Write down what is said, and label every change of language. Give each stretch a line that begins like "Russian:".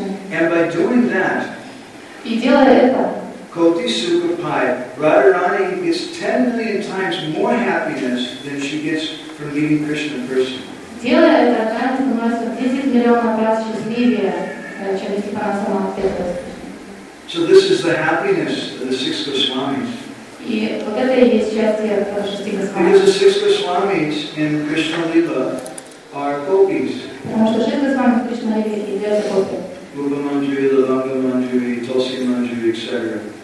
English: And by doing that, Koti Sukhapai, Radharani gets 10 million times more happiness than she gets from meeting Krishna personally.
Russian: Делая это, она становится 10 миллионов раз счастливее, чем если бы она сама ответила.
English: So this is the happiness of the six Goswamis. Because the six Goswamis in Krishna Lila are gopis. Rupa Manjari, Lavanga Manjari, Tulsi Manjari, etc.